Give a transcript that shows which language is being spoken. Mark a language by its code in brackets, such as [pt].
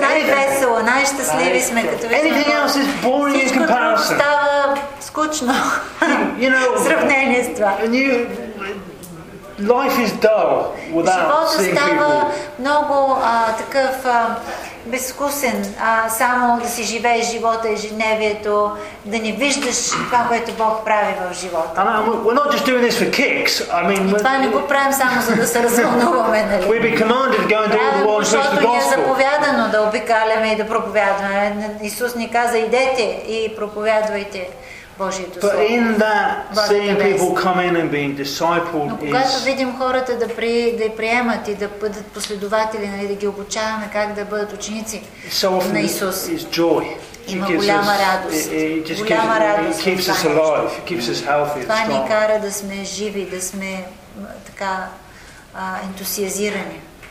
[bg] Най-весело, най-щастливи сме като вече. [en] Anything else is boring in comparison. [bg] Всичко става скучно. [en] You know, [bg] сравнение с това. [en] And you, life is dull without seeing people. [bg] Живота става много такъв безвкусен, само да си живееш живота, ежедневието, да не виждаш това, което Бог прави в живота. [en] And we're not just doing this for kicks. I mean, [bg] това не го правим само за да се развълнуваме, нали? [en] We've been commanded to go into all the world and preach the gospel. [bg] Защото ни е заповядано да обикаляме и да проповядваме. Исус ни каза, идете и проповядвайте. [en] But in that, seeing people come in and being discipled is. [bg] Но когато видим хората да при да приемат и да бъдат последователи, нали, да ги обучаваме как да бъдат ученици на Исус. [en] It's joy. [bg] Има голяма радост. Голяма радост. [en] It keeps us alive. It keeps us healthy. [bg] Това ни кара да сме живи, да сме така ентусиазирани.